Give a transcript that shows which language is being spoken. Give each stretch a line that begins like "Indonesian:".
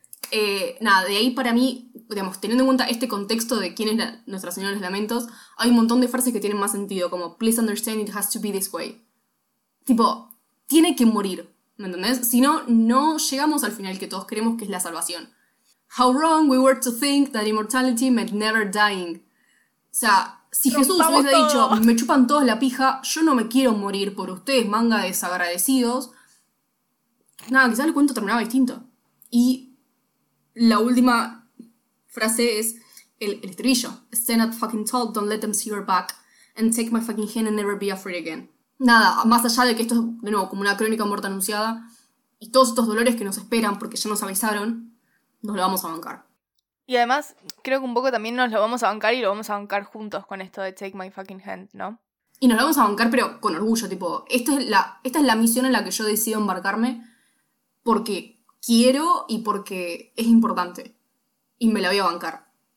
Spanish: De ahí para mí, digamos, teniendo en cuenta este contexto de quién es Nuestra Señora de los Lamentos, hay un montón de frases que tienen más sentido, como,
English: please understand it has to be this way.
Spanish: Tipo, tiene que morir, ¿me entendés? Si no, no llegamos al final que todos creemos, que es la salvación.
English: How wrong we were to think that immortality meant never dying.
Spanish: O sea, si Jesús hubiese dicho, me chupan todos la pija, yo no me quiero morir por ustedes, manga desagradecidos. Nada, quizás el cuento terminaba distinto. Y la última frase es el estribillo.
English: Stand up fucking tall, don't let them see your back, and take my fucking hand and never be afraid again.
Spanish: Nada, más allá de que esto es, de nuevo, como una crónica muerte anunciada, y todos estos dolores que nos esperan porque ya nos avisaron, nos lo vamos a bancar. Y además, creo que un poco también nos lo vamos a bancar, y lo vamos a bancar juntos con esto de
English: Take My Fucking Hand,
Spanish: ¿no? Y nos lo vamos a bancar, pero con orgullo, tipo, esta es la misión en la que yo decido embarcarme porque quiero y porque es importante. Y me la voy a bancar.